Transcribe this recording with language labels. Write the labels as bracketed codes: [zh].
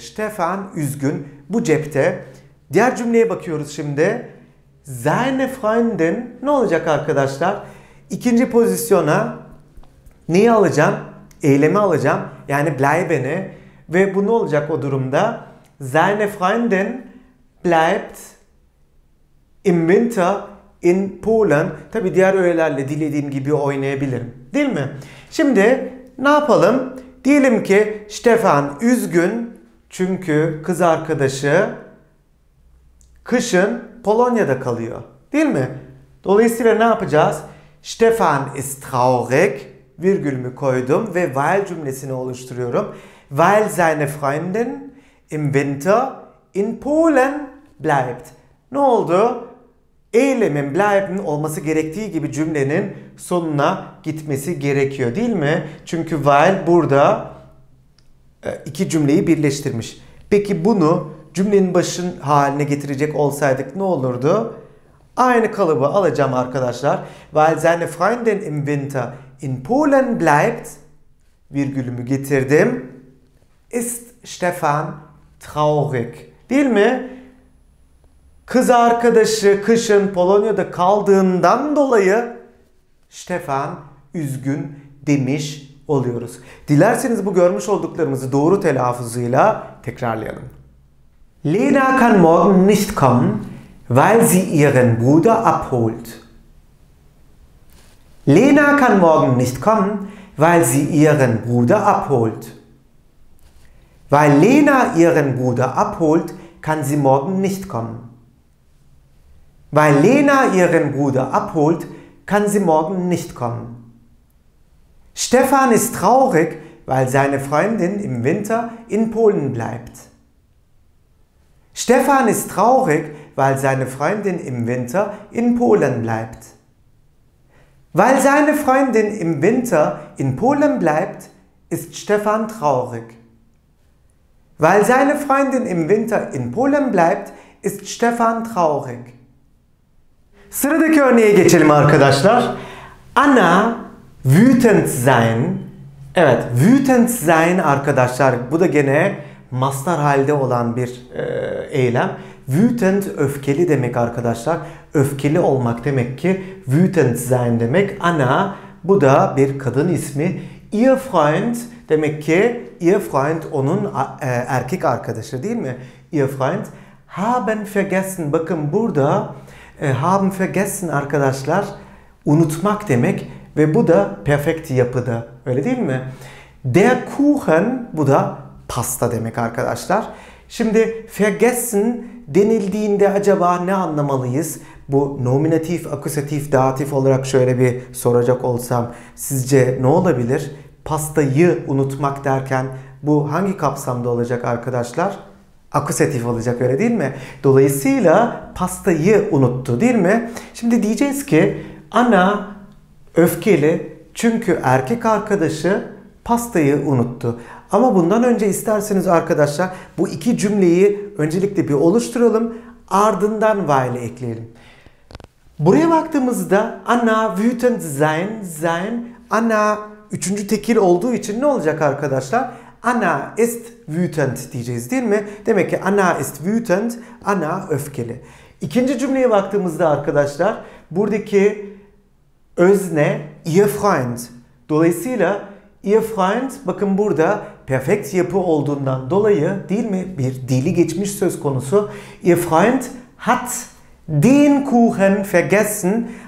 [tr] Stefan üzgün bu cepte. Diğer cümleye bakıyoruz şimdi. [de] Seine Freundin [tr] ne olacak arkadaşlar? İkinci pozisyona neyi alacağım? Eylemi alacağım. Yani bleiben'i. Ve bu ne olacak o durumda? [de] Seine Freundin bleibt im Winter in Polen. [tr] Tabi diğer öğelerle dilediğim gibi oynayabilirim. Değil mi? Şimdi ne yapalım? Diyelim ki Stefan üzgün. Çünkü kız arkadaşı kışın Polonya'da kalıyor. Değil mi? Dolayısıyla ne yapacağız? [de] Stefan ist traurig. [tr] Virgülümü koydum ve weil cümlesini oluşturuyorum. [de] Weil seine Freundin im Winter in Polen bleibt. [tr] Ne oldu? Eylemin bleiben olması gerektiği gibi cümlenin sonuna gitmesi gerekiyor. Değil mi? Çünkü weil burada iki cümleyi birleştirmiş. Peki bunu cümlenin başın haline getirecek olsaydık ne olurdu? Aynı kalıbı alacağım arkadaşlar. [de] Weil seine Freundin im Winter in Polen bleibt. [tr] Virgülümü getirdim. [de] ist Stefan traurig? [tr] Değil mi? Kız arkadaşı kışın Polonya'da kaldığından dolayı Stefan üzgün demiş oluyoruz. Dilerseniz bu görmüş olduklarımızı doğru telaffuzuyla tekrarlayalım. [de] Lena kann morgen nicht kommen, weil sie ihren Bruder abholt. Lena kann morgen nicht kommen, weil sie ihren Bruder abholt. Weil Lena ihren Bruder abholt, kann sie morgen nicht kommen. Weil Lena ihren Bruder abholt, kann sie morgen nicht kommen. Stefan ist traurig, weil seine Freundin im Winter in Polen bleibt. Stefan ist traurig, weil seine Freundin im Winter in Polen bleibt. Weil seine Freundin im Winter in Polen bleibt, ist Stefan traurig. Weil seine Freundin im Winter in Polen bleibt, ist Stefan traurig. [tr] Sıradaki örneğe geçelim arkadaşlar. [de] Anna wütend sein. [tr] Evet, wütend sein arkadaşlar. Bu da gene mastar halde olan bir eylem. Wütend öfkeli demek arkadaşlar. Öfkeli olmak demek ki wütend sein demek. Anna bu da bir kadın ismi. Ihr Freund demek ki ihr Freund onun erkek arkadaşı değil mi? [de] Ihr Freund haben vergessen. [tr] Bakın burada haben vergessen arkadaşlar unutmak demek ve bu da perfekt yapıda. Öyle değil mi? Der Kuchen bu da pasta demek arkadaşlar. Şimdi vergessen denildiğinde acaba ne anlamalıyız? Bu nominatif, akusatif, datif olarak şöyle bir soracak olsam sizce ne olabilir? Pastayı unutmak derken bu hangi kapsamda olacak arkadaşlar? Akusatif olacak öyle değil mi? Dolayısıyla pastayı unuttu değil mi? Şimdi diyeceğiz ki Anna öfkeli çünkü erkek arkadaşı pastayı unuttu. Ama bundan önce isterseniz arkadaşlar bu iki cümleyi öncelikle bir oluşturalım. Ardından weil ekleyelim. Buraya baktığımızda [de] Anna wütend sein. [tr] Anna üçüncü tekil olduğu için ne olacak arkadaşlar? [de] Anna ist wütend [tr] diyeceğiz değil mi? Demek ki [de] Anna ist wütend, [tr] Anna öfkeli. İkinci cümleye baktığımızda arkadaşlar buradaki özne ihr Freund. Dolayısıyla ihr Freund bakın burada perfekt yapı olduğundan dolayı değil mi? Bir dili geçmiş söz konusu. [de] Ihr Freund hat den Kuchen vergessen.